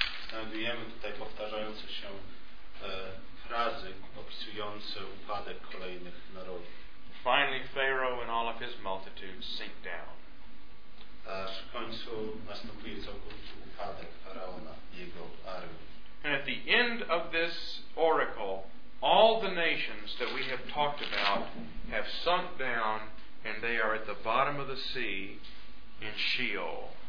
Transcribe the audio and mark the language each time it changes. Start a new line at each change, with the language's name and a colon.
Polish: Znajdujemy tutaj powtarzające się frazy opisujące upadek kolejnych narodów.
English: Finally, Pharaoh and all of his multitude sink down.
Polish: Aż w końcu następuje całkowity upadek faraona i jego armii.
English: And at the end of this oracle, all the nations that we have talked about have sunk down, and they are at the bottom of the sea in Sheol.